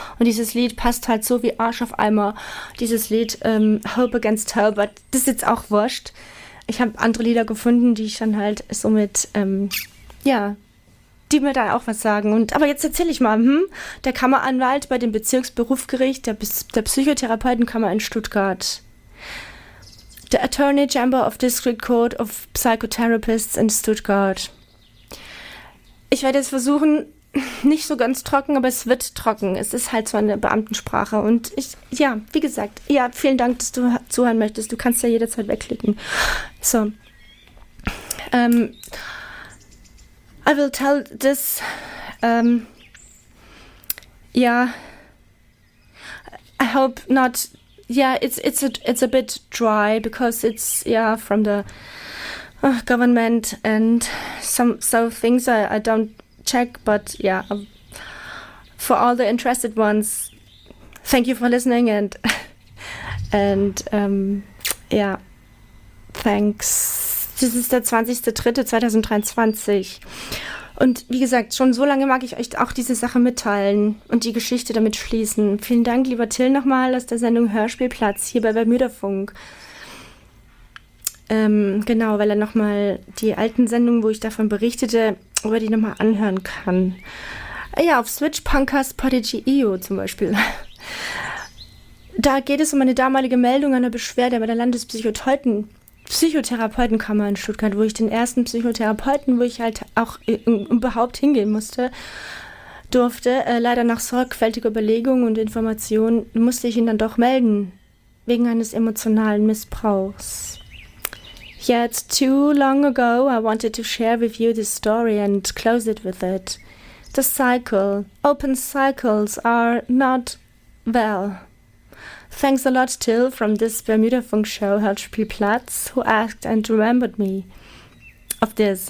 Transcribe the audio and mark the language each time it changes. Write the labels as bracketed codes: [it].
[de] Und dieses Lied passt halt so wie Arsch auf Eimer, dieses Lied Hope Against Hope, das ist jetzt auch wurscht. Ich habe andere Lieder gefunden, die ich dann halt somit, ja, die mir dann auch was sagen. Und aber jetzt erzähle ich mal, der Kammeranwalt bei dem Bezirksberufgericht, der Psychotherapeutenkammer in Stuttgart. [en] The Attorney General of District Court of Psychotherapists in Stuttgart. [de] Ich werde jetzt versuchen, nicht so ganz trocken, aber es wird trocken. Es ist halt so eine Beamtensprache. Und ich, ja, wie gesagt, ja, vielen Dank, dass du zuhören möchtest. Du kannst ja jederzeit wegklicken. [en] So. I will tell this. [de] Ja. [en] Yeah, I hope not. Yeah, it's a bit dry because it's, yeah, from the government and some things I don't check, but yeah, for all the interested ones, thank you for listening and thanks. [de] Das ist der 20.03.2023 und wie gesagt, schon so lange mag ich euch auch diese Sache mitteilen und die Geschichte damit schließen. Vielen Dank, lieber Till, nochmal aus der Sendung Hörspielplatz hier bei Bermüderfunk. Genau, weil er nochmal die alten Sendungen, wo ich davon berichtete, wo er die nochmal anhören kann. Ja, auf Switch Punkers Podigy.io zum Beispiel. Da geht es um eine damalige Meldung einer Beschwerde bei der Landespsychotherapeutenkammer in Stuttgart, wo ich den ersten Psychotherapeuten, wo ich halt auch überhaupt hingehen durfte, leider nach sorgfältiger Überlegung und Information musste ich ihn dann doch melden, wegen eines emotionalen Missbrauchs. [en] Yet too long ago I wanted to share with you this story and close it with it. The cycle, open cycles are not well. Thanks a lot, Till, from this Bermudafunk show, Hörspielplatz, who asked and remembered me of this.